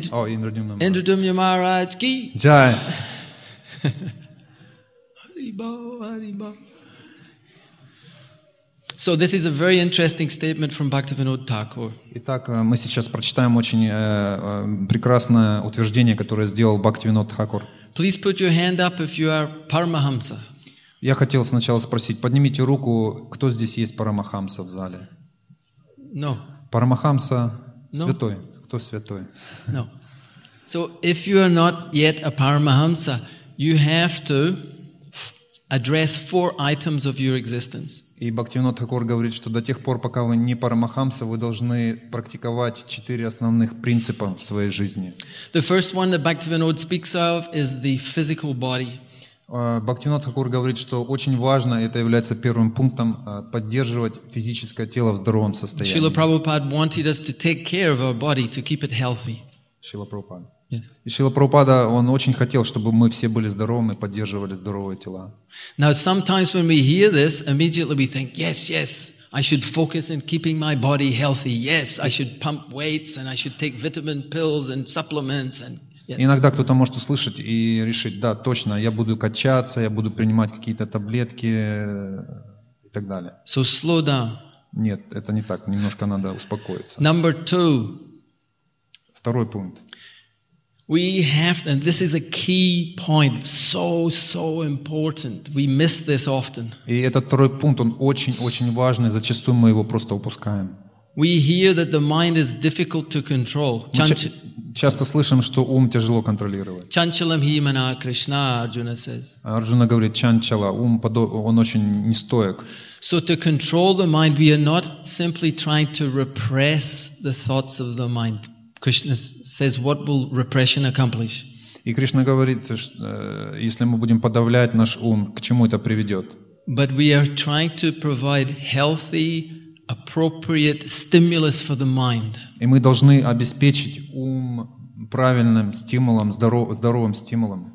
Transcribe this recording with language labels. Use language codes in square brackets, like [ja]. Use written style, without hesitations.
[en] Indradumya Maharaj, or is that? Maharaj. Indradumya Maharaj ki. Jai. Haribo, haribo. So this is a very interesting statement from Bhaktivinoda Thakur. [ru] Итак, мы сейчас прочитаем очень прекрасное утверждение, которое сделал Бхактивинода Тхакур. [en] Please put your hand up if you are Paramahamsa. [ru] Я хотел сначала спросить, поднимите руку, кто здесь есть Парамахамса в зале? [en] No. [ru] Парамахамса святой. [en] No. [ru] Кто святой? [en] No. So if you are not yet a Paramahamsa, you have to address four items of your existence. [ru] И Бхактивинода Тхакур говорит, что до тех пор, пока вы не Парамахамса, вы должны практиковать четыре основных принципа в своей жизни. [en] The first one that Bhaktivinoda speaks of is the physical body. [ru] Бхактивинода Тхакур говорит, что очень важно, это является первым пунктом, поддерживать физическое тело в здоровом состоянии. [en] Шрила Прабхупад wanted us to take care of our body, to keep it healthy. [ru] Шрила Прабхупад. Шрила Прабхупада, он очень хотел, чтобы мы все были здоровы и поддерживали здоровые тела. [en] Now sometimes when we hear this, immediately we think, yes, yes, I should focus on keeping my body healthy. Yes, I should pump weights and I should take vitamin pills and supplements and... [ru] Иногда кто-то может услышать и решить, да, точно, я буду качаться, я буду принимать какие-то таблетки и так далее. [en] So slow down. [ru] Нет, это не так, немножко надо успокоиться. [en] Number two. [ru] Второй пункт. [en] We have, and this is a key point, so, so important. We miss this often. [ru] И этот второй пункт, он очень-очень важный, зачастую мы его просто упускаем. [en] We hear that the mind is difficult to control. [ru] Часто слышим, что ум тяжело контролировать. [sa] Чанчалам химана Кришна, Арджуна says. [ru] Арджуна говорит, чанчала, ум, он очень нестойк. [en] So to control the mind, we are not simply trying to repress the thoughts of the mind. Krishna says, what will repression accomplish? [ru] И Кришна говорит, что, если мы будем подавлять наш ум, к чему это приведет? [en] But we are trying to provide healthy, appropriate stimulus for the mind. [ru] И мы должны обеспечить ум правильным стимулом, здоровым стимулом.